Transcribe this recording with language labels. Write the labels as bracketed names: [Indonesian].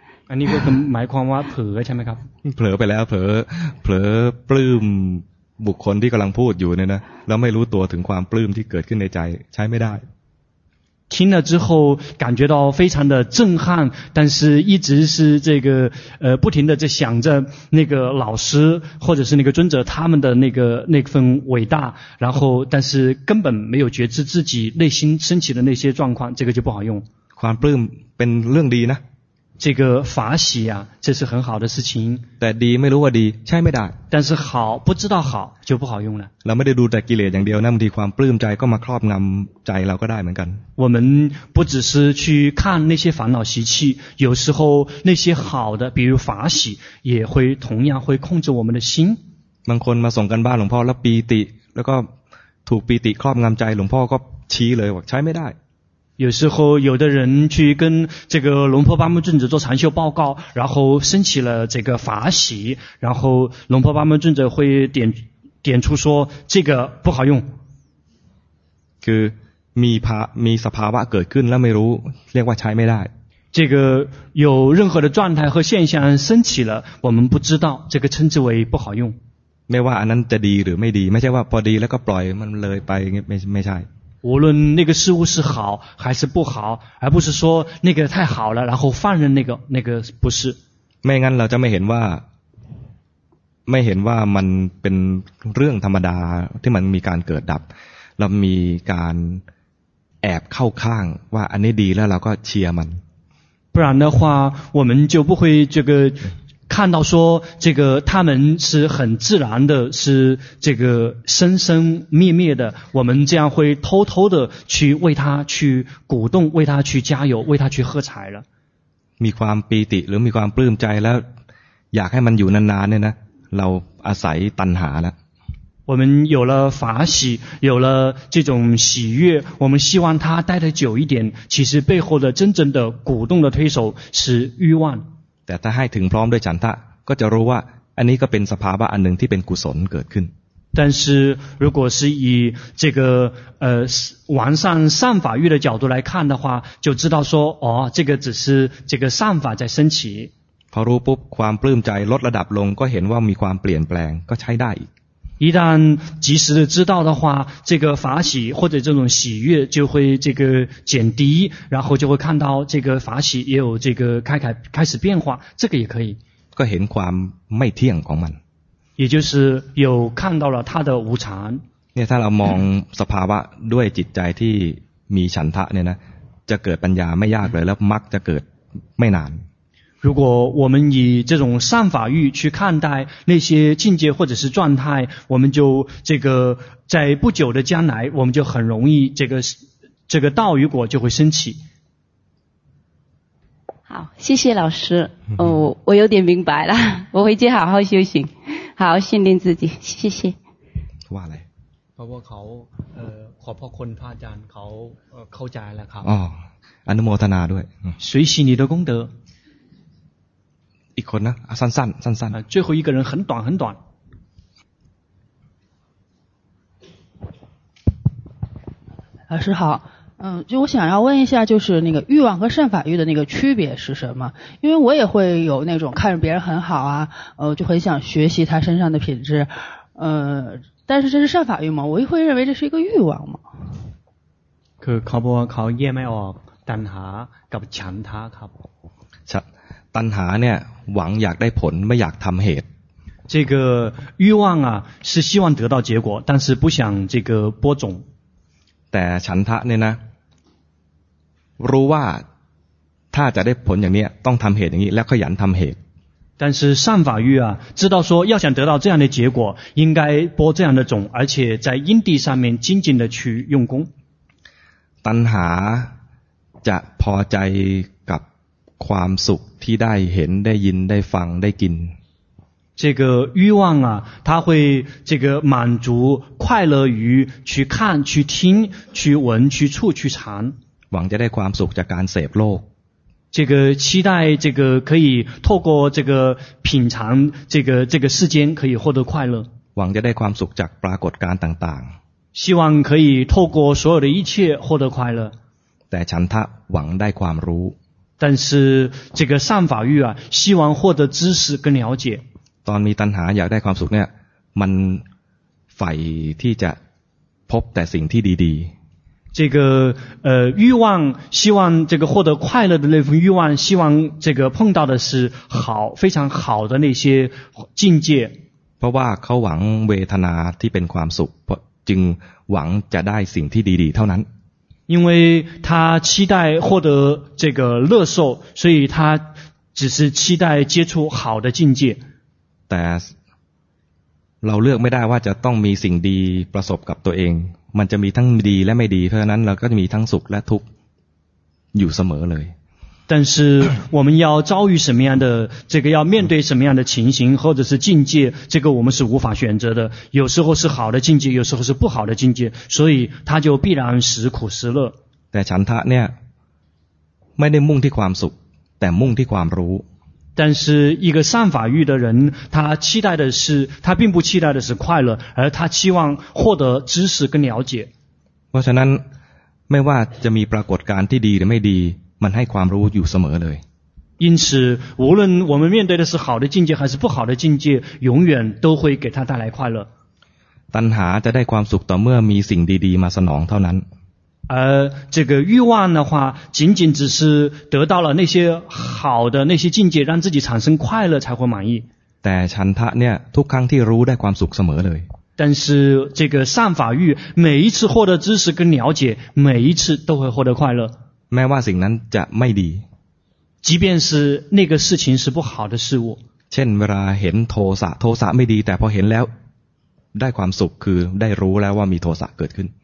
[Thai] อันนี้ก็คือหมายความว่าเผลอใช่ไหมครับ เผลอไปแล้วเผลอปลื้มบุคคลที่กำลังพูดอยู่เนี่ยนะแล้วไม่รู้ตัวถึงความปลื้มที่เกิดขึ้นในใจใช้ไม่ได้ [Chinese] 听了之后感觉到非常的震撼但是一直是这个不停的在想着那个老师或者是那个尊者他们的那份伟大然后但是根本没有觉知自己内心升起的那些状况这个就不好用 [Thai] ความปลื้มเป็นเรื่องดีนะ [Chinese] 这个法喜啊这是很好的事情 [Thai] แต่ดีไม่รู้ว่าดีใช่ไม่ได้ [Chinese] 但是好不知道好就不好用了 [Thai] เราไม่ได้ดูแต่กิเลสอย่างเดียวนะบางทีความปลื้มใจก็มาครอบงำใจเราก็ได้เหมือนกัน [Chinese] 我们不只是去看那些烦恼习气有时候那些好的比如法喜也会同样会控制我们的心 [Thai] บางคนมาส่งกันบ้านหลวงพ่อแล้วปีติแล้วก็ถูกปีติครอบงำใจหลวงพ่อก็ชี้เลยว่าใช้ไม่ได้ [Chinese] 有时候有的人去跟这个龙婆巴木尊者做禅修报告然后升起了这个法喜然后龙婆巴木尊者会点出说这个不好用 [Thai] คือมีสภาวะเกิดขึ้นแล้วไม่รู้เรียกว่าใช้ไม่ได้ [Chinese] 这个有任何的状态和现象升起了我们不知道这个称之为不好用 [Thai] ไม่ว่าอันนั้นจะดีหรือไม่ดีไม่ใช่ว่าพอดีแล้วก็ปล่อยมันเลยไปไม่ใช่ [Chinese] 无论那个事物是好还是不好而不是说那个太好了然后放任那个不是 [Thai] ไม่งั้นเราจะไม่เห็นว่ามันเป็นเรื่องธรรมดาที่มันมีการเกิดดับเรามีการแอบเข้าข้างว่าอันนี้ดีแล้วเราก็เชียร์มัน [Chinese] 不然的话我们就不会这个看到说这个他们是很自然的是这个生生灭灭的我们这样会偷偷的去为他去鼓动为他去加油为他去喝彩了 [Thai] มีความปีติหรือมีความปลื้มใจแล้วอยากให้มันอยู่นานๆเนี่ยนะเราอาศัยตัณหาแล้ว [Chinese] 我们有了法喜有了这种喜悦我们希望他待得久一点其实背后的真正的鼓动的推手是欲望 [Thai] แต่ถ้าให้ถึงพร้อมด้วยฉันทะก็จะรู้ว่าอันนี้ก็เป็นสภาวะอันหนึ่งที่เป็นกุศลเกิดขึ้น [Chinese] 但是如果是以这个完善善法欲的角度来看的话就知道说哦这个只是这个善法在升起 [Thai] พอรู้ปุ๊บความปลื้มใจลดระดับลงก็เห็นว่ามีความเปลี่ยนแปลงก็ใช้ได้อีก [Chinese] 一旦及时的知道的话，这个法喜或者这种喜悦就会这个减低，然后就会看到这个法喜也有这个开始变化，这个也可以。 [Thai] ก็เห็นความไม่เที่ยงของมัน。 [Chinese] 也就是有看到了它的无常。 [Thai] เนี่ยถ้าเรามองสภาวะด้วยจิตใจที่มีฉันทะเนี่ยนะจะเกิดปัญญาไม่ยากเลยแล้วมรรคจะเกิดไม่นาน。 [Chinese] 如果我们以这种善法欲去看待那些境界或者是状态，我们就这个在不久的将来，我们就很容易这个道与果就会升起。好，谢谢老师。哦，我有点明白了，我回去好好修行，好好训练自己。谢谢。哇嘞，包括考 [Thai] ขอบพระคุณพระอาจารย์เขาเข้าใจแล้วครับ。哦，อนุโมทนาด้วย。 [Chinese] 随喜你的功德。 [Thai] อีกคนนะสั้นๆสั้นๆ [Chinese] 最后一个人很短很短老师好就我想要问一下就是那个欲望和善法欲的那个区别是什么因为我也会有那种看着别人很好啊就很想学习他身上的品质但是这是善法欲吗我也会认为这是一个欲望吗 [Thai] คือเขาบอกว่าเขาแยกไม่ออกตัณหากับฉันทะครับ ตัณหาเนี่ยหวังอยากได้ผลไม่อยากทำเหตุ [Chinese] 这个欲望啊是希望得到结果但是不想这个播种 [Thai] แต่ฉันทะเนี่ยนะรู้ว่าถ้าจะได้ผลอย่างนี้ต้องทำเหตุอย่างนี้แล้วขยันทำเหตุ [Chinese] 但是善法欲啊知道说要想得到这样的结果应该播这样的种而且在因地上面精进的去用功 [Thai] ตัณหาจะพอใจกับความสุขที่ได้เห็นได้ยินได้ฟังได้กิน [Chinese] 这个欲望啊它会这个满足快乐于去看去听去闻去触去尝 [Thai] หวังจะได้ความสุขจากการเสพโลก [Chinese] 这个期待这个可以透过这个品尝这个世间可以获得快乐 [Thai] หวังจะได้ความสุขจากปรากฏการณ์ต่าง [Chinese] ๆ希望可以透过所有的一切获得快乐 [Thai] แต่ฉันทะหวังได้ความรู้ [Chinese] 但是这个善法欲啊希望获得知识跟了解 [Thai] ตอนมีตัณหาอยากได้ความสุขเนี่ยมันใฝ่ที่จะพบแต่สิ่งที่ดี [Chinese] ๆ这个欲望希望这个获得快乐的那份欲望希望这个碰到的是好非常好的那些境界 [Thai] เพราะว่าเขาหวังเวทนาที่เป็นความสุขจึงหวังจะได้สิ่งที่ดีๆเท่านั้น [Chinese] 因为他期待获得这个乐受所以他只是期待接触好的境界 [Thai] แต่เราเลือกไม่ได้ว่าจะต้องมีสิ่งดีประสบกับตัวเองมันจะมีทั้งดีและไม่ดีเพราะฉะนั้นเราก็จะมีทั้งสุขและทุกข์อยู่เสมอเลย [Chinese] 但是我们要遭遇什么样的这个要面对什么样的情形或者是境界这个我们是无法选择的有时候是好的境界有时候是不好的境界所以它就必然时苦时乐 [Thai] แต่ฉันทะเนี่ยไม่ได้มุ่งที่ความสุขแต่มุ่งที่ความรู้ [Chinese] 但是一个善法欲的人他期待的是他并不期待的是快乐而他期望获得知识跟了解 [Thai] เพราะฉะนั้นไม่ว่าจะมีปรากฏการณ์ที่ดีหรือไม่ดีมันให้ความรู้อยู่เสมอเลย [Chinese] 因此无论我们面对的是好的境界还是不好的境界永远都会给他带来快乐 [Thai] ตัณหาจะได้ความสุขต่อเมื่อมีสิ่งดีๆมาสนองเท่านั้น [Chinese] 这个欲望的话仅仅只是得到了那些好的那些境界让自己产生快乐才会满意 [Thai] แต่ฉันทะเนี่ยทุกครั้งที่รู้ได้ความสุขเสมอเลย [Chinese] 但是这个善法欲每一次获得知识跟了解每一次都会获得快乐 [Thai] แม้ว่าสิ่งนั้นจะไม่ดี [Chinese] 即便是那个事情是不好的事物 [Thai] เช่นเวลาเห็นโทสะไม่ดีแต่พอเห็นแล้วได้ความสุขคือได้รู้แล้วว่ามีโทสะเกิดขึ้น